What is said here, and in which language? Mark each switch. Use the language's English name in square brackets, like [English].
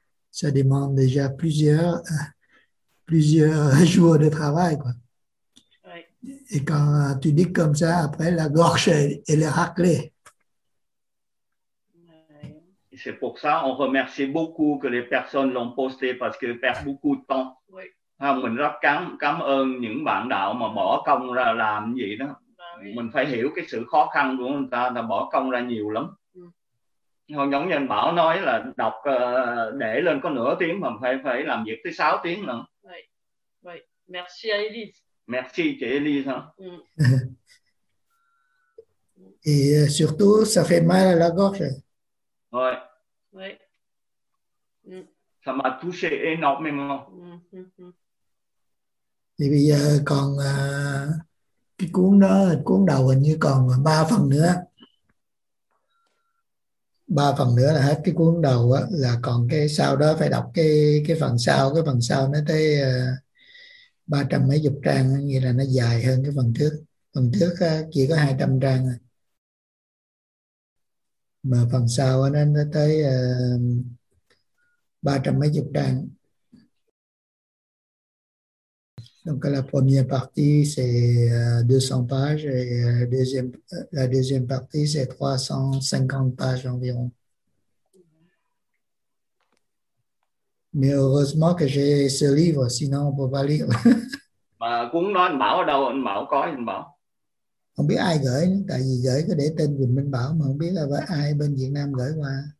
[French] Ça demande déjà plusieurs jours de travail, quoi. Ouais. Et quand tu dis comme ça, après, la gorge, elle est raclée. Ouais. C'est pour ça qu'on remercie beaucoup que les personnes l'ont posté, parce qu'elles perdent beaucoup de temps. Ouais. [Vietnamese] Mình rất cảm ơn những bạn đạo mà bỏ công ra làm gì đó. Ouais. Mình phải hiểu cái sự khó khăn của người ta, là bỏ công ra nhiều lắm. Ouais. Giống như anh Bảo nói là đọc để lên có nửa tiếng mà phải làm việc tới 6 tiếng nữa. [French] Merci à Élise. Merci, c'est Élise. Hein? Et surtout, ça fait mal à la gorge. Oui. Ouais. Ça m'a touché énormément. [Vietnamese] Et bây giờ còn cái cuốn đó, cuốn đầu hình như còn 3 phần nữa. 3 phần nữa là hết cái cuốn đầu á, là còn cái sau đó phải đọc cái phần sau nó tới 300 mấy chục trang, nghĩa là nó dài hơn cái phần trước. Phần trước chỉ có 200 trang thôi. Mà phần sau nó tới 300 mấy chục trang. [French] Donc la première partie c'est 200 pages et la deuxième partie c'est 350 pages environ. Mais heureusement que j'ai ce livre, sinon on peut pas lire. [Vietnamese] Mà cuốn đó anh Bảo ở đâu? Anh Bảo có anh Bảo. Không biết ai gửi, tại vì gửi có để tên Quỳnh Minh Bảo mà không biết là ai bên Việt Nam gửi qua.